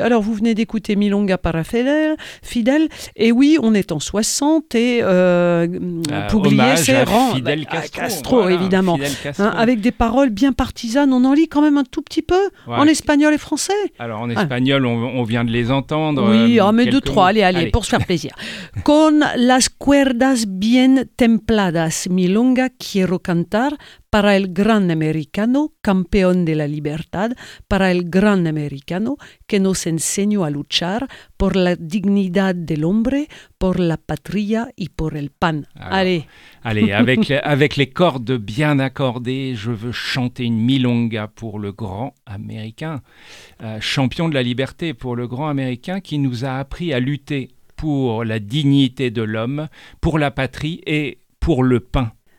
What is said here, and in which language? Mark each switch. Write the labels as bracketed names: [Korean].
[French] Alors, vous venez d'écouter Milonga para Fidel. Et oui, on est en 60 et Pugliese rend Fidel Castro, voilà, évidemment. Fidel Castro. Hein, avec des paroles bien partisanes, on en lit quand même un tout petit peu, ouais, en espagnol et français. Alors, en espagnol, on vient de les entendre. Oui, mais deux, trois, allez, pour se faire plaisir. [Spanish] Con las cuerdas bien templadas, milonga quiero cantar para el gran americano, campeón de la libertad, para el gran americano que nos enseñó a luchar por la dignidad del hombre, por la patria y por el pan. [French] Alors, allez, avec les cordes bien accordées, je veux chanter une milonga pour le grand américain, champion de la liberté, pour le grand américain qui nous a appris à lutter pour la dignité de l'homme, pour la patrie et pour le pain.